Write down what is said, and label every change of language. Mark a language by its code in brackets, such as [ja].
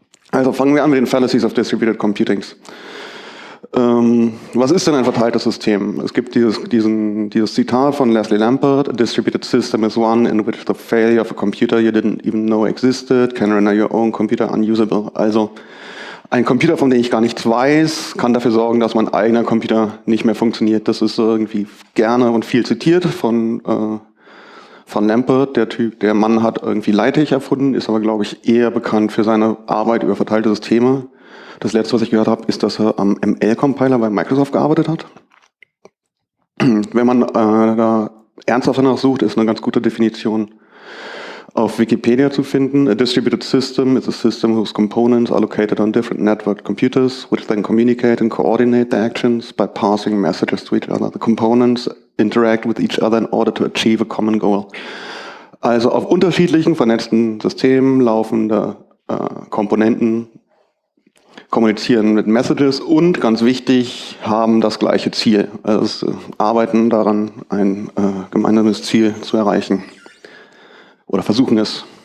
[de] Also fangen wir an mit den Fallacies of Distributed Computings. Was ist denn ein verteiltes System? Es gibt dieses Zitat von Leslie Lampert: [en] A distributed system is one in which the failure of a computer you didn't even know existed can render your own computer unusable. [de] Also ein Computer, von dem ich gar nichts weiß, kann dafür sorgen, dass mein eigener Computer nicht mehr funktioniert. Das ist irgendwie gerne und viel zitiert von Lampert. Der Mann hat irgendwie Leitig erfunden, ist aber, glaube ich, eher bekannt für seine Arbeit über verteilte Systeme. Das Letzte, was ich gehört habe, ist, dass er am ML-Compiler bei Microsoft gearbeitet hat. Wenn man da ernsthaft danach sucht, ist eine ganz gute Definition auf Wikipedia zu finden. [en] A distributed system is a system whose components are located on different network computers, which then communicate and coordinate their actions by passing messages to each other. The components interact with each other in order to achieve a common goal. [de] Also auf unterschiedlichen vernetzten Systemen laufende Komponenten kommunizieren mit Messages und, ganz wichtig, haben das gleiche Ziel. Also arbeiten daran, ein gemeinsames Ziel zu erreichen. Oder versuchen es.